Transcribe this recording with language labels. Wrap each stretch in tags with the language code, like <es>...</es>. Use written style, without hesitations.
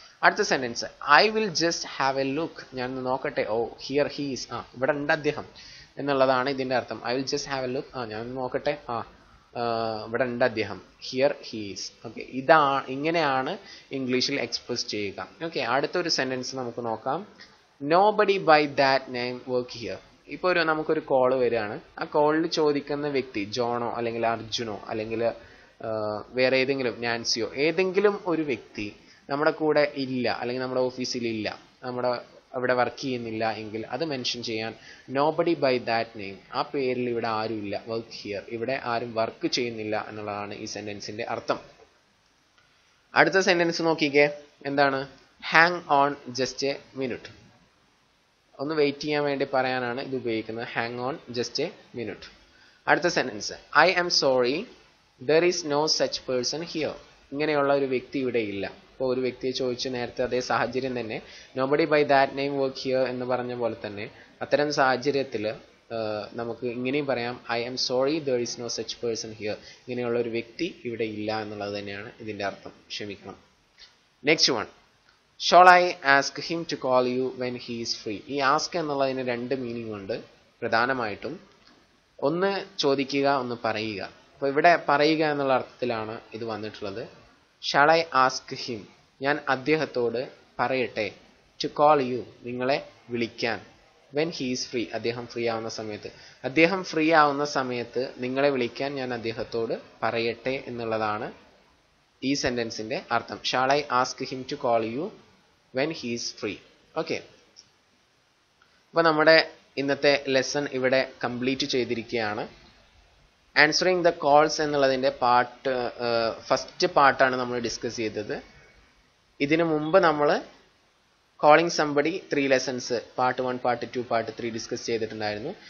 <en>അടുത്ത sentence, I will just have a look,</en> <ml>ഞാൻ നോക്കട്ടെ.</ml> <en>oh here he's,</en> <ml>ആ ഇവിടെ ഉണ്ട് അദ്ദേഹം എന്നുള്ളതാണ് ഇതിൻ്റെ അർത്ഥം.</ml> <en>I will just have a look,</en> <ml>ആ ഞാൻ നോക്കട്ടെ, ആ ഇവിടെ ഉണ്ട് അദ്ദേഹം,</ml> <en>Here he's.</en> <ml>ഓക്കെ, ഇതാണ് ഇങ്ങനെയാണ് ഇംഗ്ലീഷിൽ എക്സ്പ്രസ് ചെയ്യുക. ഓക്കെ, അടുത്തൊരു സെൻറ്റൻസ് നമുക്ക് നോക്കാം.</ml> <en>Nobody by that name work here.</en> <ml>ഇപ്പോൾ ഒരു നമുക്കൊരു കോള് വരികയാണ്. ആ കോളിൽ ചോദിക്കുന്ന വ്യക്തി ജോണോ അല്ലെങ്കിൽ അർജുനോ അല്ലെങ്കിൽ വേറെ ഏതെങ്കിലും നാൻസിയോ, ഏതെങ്കിലും ഒരു വ്യക്തി നമ്മുടെ കൂടെ ഇല്ല അല്ലെങ്കിൽ നമ്മുടെ ഓഫീസിൽ ഇല്ല, നമ്മുടെ അവിടെ വർക്ക് ചെയ്യുന്നില്ല എങ്കിൽ അത് മെൻഷൻ ചെയ്യാൻ</ml> <en>Nobody by that name,</en> <ml>ആ പേരിൽ ഇവിടെ ആരും ഇല്ല,</ml> <en>work here,</en> <ml>ഇവിടെ ആരും വർക്ക് ചെയ്യുന്നില്ല എന്നുള്ളതാണ് ഈ സെൻറ്റൻസിൻ്റെ അർത്ഥം. അടുത്ത സെൻറ്റൻസ് നോക്കിക്കേ, എന്താണ്?</ml> <en>hang on just a minute,</en> <ml>ഒന്ന് വെയിറ്റ് ചെയ്യാൻ വേണ്ടി പറയാനാണ് ഇത് ഉപയോഗിക്കുന്നത്.</ml> <en>Hang on just a minute. അടുത്ത sentence, I am sorry there is no such person here,</en> <ml>ഇങ്ങനെയുള്ള ഒരു വ്യക്തി ഇവിടെ ഇല്ല. ഇപ്പോൾ ഒരു വ്യക്തിയെ ചോദിച്ച് നേരത്തെ അതേ സാഹചര്യം തന്നെ,</ml> <en>nobody by that name work here</en> <ml>എന്ന് പറഞ്ഞ പോലെ തന്നെ അത്തരം സാഹചര്യത്തിൽ നമുക്ക് ഇങ്ങനെയും പറയാം,</ml> <en>I am sorry there is no such person here,</en> <ml>ഇങ്ങനെയുള്ള ഒരു വ്യക്തി ഇവിടെ ഇല്ല എന്നുള്ളത് തന്നെയാണ് ഇതിൻ്റെ അർത്ഥം. ക്ഷമിക്കണം.</ml> <en>Next one, Shall I ask him to call you when he is free?</en> <ml>ഈ ആസ്ക് എന്നുള്ളതിന് രണ്ട് മീനിങ് ഉണ്ട്. പ്രധാനമായിട്ടും ഒന്ന് ചോദിക്കുക, ഒന്ന് പറയുക. അപ്പോൾ ഇവിടെ പറയുക എന്നുള്ള അർത്ഥത്തിലാണ് ഇത് വന്നിട്ടുള്ളത്.</ml> <en>Shall I ask him,</en> <ml>ഞാൻ അദ്ദേഹത്തോട് പറയട്ടെ,</ml> <en>to call you,</en> <ml>നിങ്ങളെ വിളിക്കാൻ,</ml> <en>when he is free,</en> <ml>അദ്ദേഹം ഫ്രീ ആവുന്ന സമയത്ത്, അദ്ദേഹം ഫ്രീ ആവുന്ന സമയത്ത് നിങ്ങളെ വിളിക്കാൻ ഞാൻ അദ്ദേഹത്തോട് പറയട്ടെ എന്നുള്ളതാണ് ഈ സെൻറ്റൻസിൻ്റെ അർത്ഥം.</ml> <en>Shall I ask him to call you when he is free?</en> <ml>Okay, അപ്പോൾ നമ്മുടെ ഇന്നത്തെ ലെസൺ ഇവിടെ കംപ്ലീറ്റ് ചെയ്തിരിക്കുകയാണ്. ആൻസറിങ് ദ കോൾസ് എന്നുള്ളതിൻ്റെ പാർട്ട്, ഫസ്റ്റ് പാർട്ടാണ് നമ്മൾ ഡിസ്കസ് ചെയ്തത്. ഇതിനു മുമ്പ് നമ്മൾ calling somebody three lessons part one part two part three discuss ചെയ്തിട്ടുണ്ടായിരുന്നു.</ml>